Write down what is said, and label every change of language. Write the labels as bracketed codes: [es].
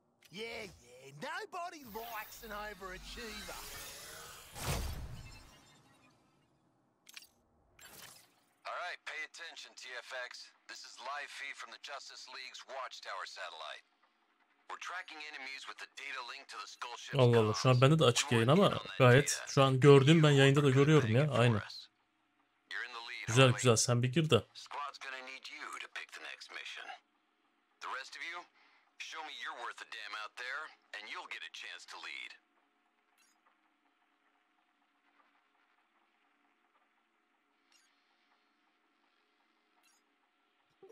[en] Yeah, yeah. Nobody likes an overachiever. Alright, pay attention, TFX. This is live feed from the Justice League's Watchtower satellite. We're tracking enemies with the data link to the skull ship. [tr] Allah Allah, şu an bende de açık yayın ama gayet. Şu an gördüğüm ben yayında da görüyorum ya, aynı. Güzel güzel, sen bir gir de. [en] Squad's gonna need you to pick the next mission. The rest of you, show me you're worth a damn out there, and you'll get a chance to lead.